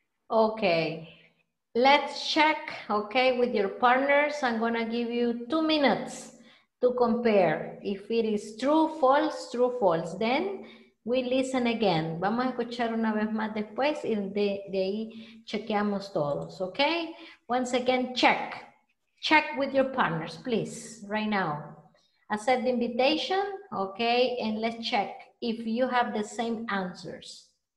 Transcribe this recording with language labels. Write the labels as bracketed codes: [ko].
[en] Okay, let's check, okay, with your partners. I'm gonna give you 2 minutes to compare if it is true, false, then we listen again. [es] Vamos a escuchar una vez más después y de ahí chequeamos todos, okay? [en] Once again, check with your partners, please, right now. Accept the invitation, okay, and let's check if you have the same answers.